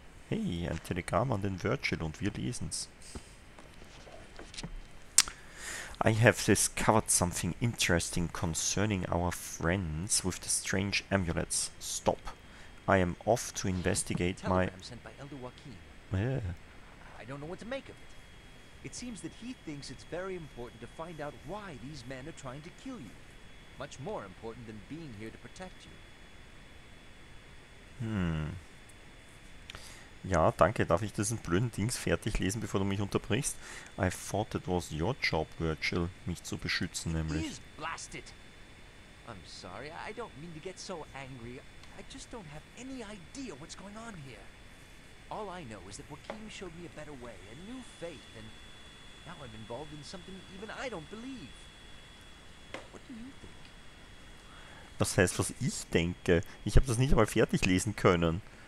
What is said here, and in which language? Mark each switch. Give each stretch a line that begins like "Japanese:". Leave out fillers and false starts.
German: Hey, ein Telegramm an den Virgil und wir lesen's.
English: I have discovered something interesting concerning our friends with the strange amulets. Stop. I am off to investigate my... Telegram sent by Elder Joaquin. Yeah. I don't know what to make of it. It seems that he thinks it's very important to find out why these men are trying to kill you. Much more important than being here to protect you.
German: Ja, danke. Darf ich diesen blöden Dings fertig lesen, bevor du mich unterbrichst?
English: I thought it was your job, Virgil,
German: mich zu beschützen, nämlich.
English: Please blast it! I'm sorry, I don't mean to get so angry. I just don't have any idea what's going on here. All I know is that Joaquin showed me a better way, a new faith, and now I'm involved in something even I don't believe. What do you think?
German: Was heißt, was ich denke? Ich habe das nicht einmal fertig lesen können.